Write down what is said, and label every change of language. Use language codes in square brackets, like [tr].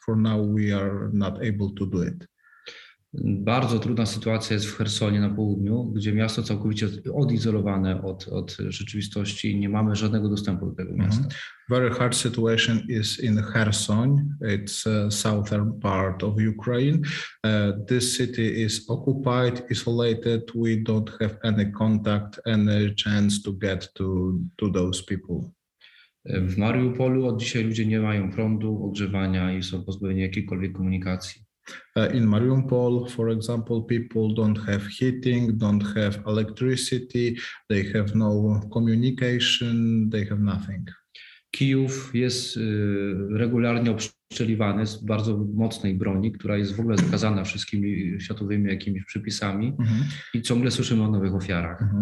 [en] For now we are not able to do it. [pl] Bardzo trudna sytuacja jest w Chersonie na południu, gdzie miasto całkowicie odizolowane od rzeczywistości, nie mamy żadnego dostępu do tego miasta. [en] Very hard situation is in Kherson. It's a southern part of Ukraine. This city is occupied, isolated. We don't have any contact, any chance to get to those people. [pl] W Mariupolu od dzisiaj ludzie nie mają prądu, ogrzewania i są pozbawieni jakiejkolwiek komunikacji. [en] In Mariupol, for example, people don't have heating, don't have electricity, they have no communication, they have nothing. [pl] Kijów jest regularnie obstrzeliwany z bardzo mocnej broni, która jest w ogóle zakazana wszystkimi światowymi jakimiś przepisami i ciągle słyszymy o nowych ofiarach.